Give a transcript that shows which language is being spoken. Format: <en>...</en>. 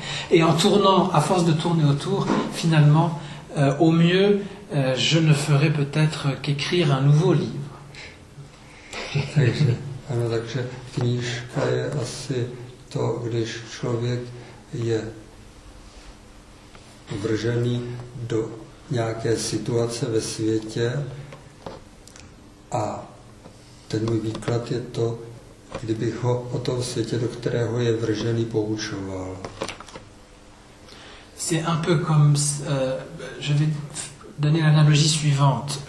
<fr>Et en tournant, à force de tourner autour, finalement au mieux, je ne ferai peut-être qu'écrire un nouveau livre.</fr> <cs>Takže, ano, takže knížka je asi to, když člověk je vržený do nějaké situace ve světě a ten můj výklad je to, kdybych ho o tom světě, do kterého je vržený, poučoval.</cs> <fr>C'est un peu comme, je vais donner l'analogie suivante.</fr>